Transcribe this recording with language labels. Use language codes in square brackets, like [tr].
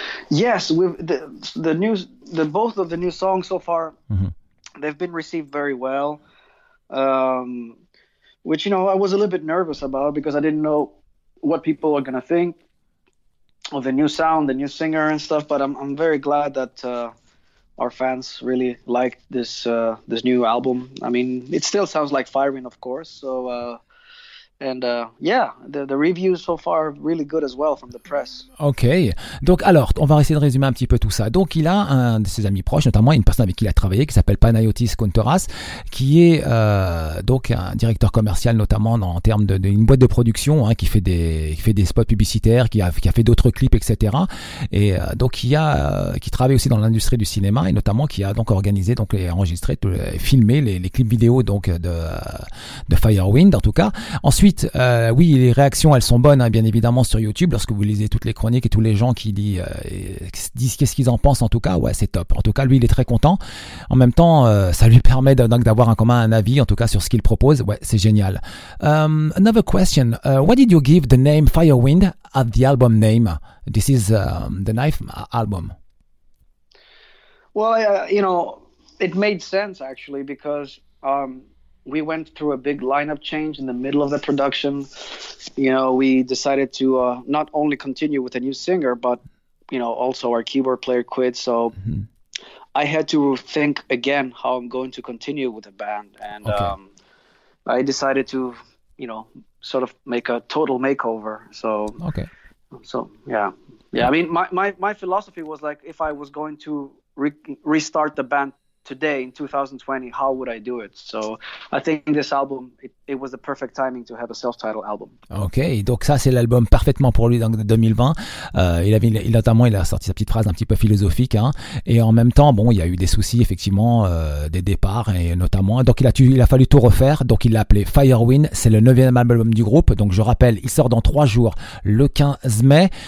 [en] Yes, both of the new songs so far, they've been received very well, which, you know, I was a little bit nervous about, because I didn't know what people are going to think of the new sound, the new singer and stuff. But I'm very glad that our fans really like this new album. I mean, it still sounds like Firewind, of course. So And the reviews so far are really good as well from the press. [fr] Ok, donc alors, on va essayer de résumer un petit peu tout ça. Donc il a un de ses amis proches, notamment une personne avec qui il a travaillé, qui s'appelle Panayotis Kontoras, qui est donc un directeur commercial, notamment en termes d'une boîte de production, hein, qui fait des spots publicitaires, qui a fait d'autres clips, etc. Et qui travaille aussi dans l'industrie du cinéma, et notamment qui a donc organisé, donc enregistré, filmé les clips vidéo donc de Firewind, en tout cas. Ensuite, oui, les réactions, elles sont bonnes, hein, bien évidemment, sur YouTube, lorsque vous lisez toutes les chroniques et tous les gens qui disent qu'est-ce qu'ils en pensent, en tout cas, ouais, c'est top. En tout cas, lui, il est très content. En même temps, ça lui permet d'avoir un avis, en tout cas, sur ce qu'il propose. Ouais, c'est génial. Another question. [en] What did you give the name Firewind at the album name? This is the ninth album. Well, you know, it made sense, actually, because... We went through a big lineup change in the middle of the production. You know, we decided to not only continue with a new singer, but, you know, also our keyboard player quit. So mm-hmm. I had to think again how I'm going to continue with the band. And okay. I decided to, you know, sort of make a total makeover. So, okay. So yeah. I mean, my philosophy was like, if I was going to restart the band today in 2020, how would I do it? So I think this album, it was the perfect timing to have a self-titled album. [fr] Ok, donc ça c'est l'album parfaitement pour lui dans 2020. Il a sorti sa petite phrase un petit peu philosophique, hein, et en même temps, bon, il y a eu des soucis effectivement, des départs, et notamment, donc il a fallu tout refaire. Donc il l'a appelé Firewind, c'est le 9e album du groupe. Donc je rappelle, il sort dans 3 jours, le 15 mai.